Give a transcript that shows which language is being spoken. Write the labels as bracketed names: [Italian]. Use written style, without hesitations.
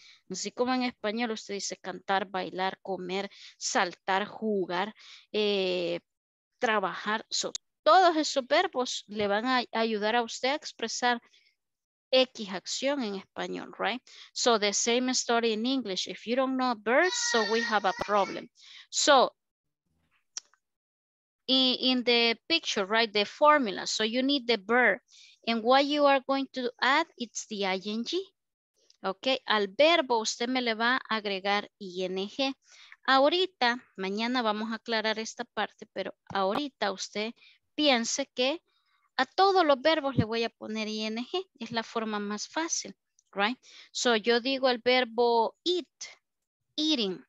[Spanish] Así como en español usted dice cantar, bailar, comer, saltar, jugar, trabajar. So, todos esos verbos le van a ayudar a usted a expresar X acción en español, right? [English] So the same story in English. If you don't know birds, so we have a problem. So in the picture, right, the formula. So you need the verb. And what you are going to add, it's the ing. [Spanish] Okay, al verbo usted me le va a agregar ing. Ahorita, mañana vamos a aclarar esta parte, pero ahorita usted piense que a todos los verbos le voy a poner ing, es la forma más fácil, right? So yo digo el verbo eat, eating.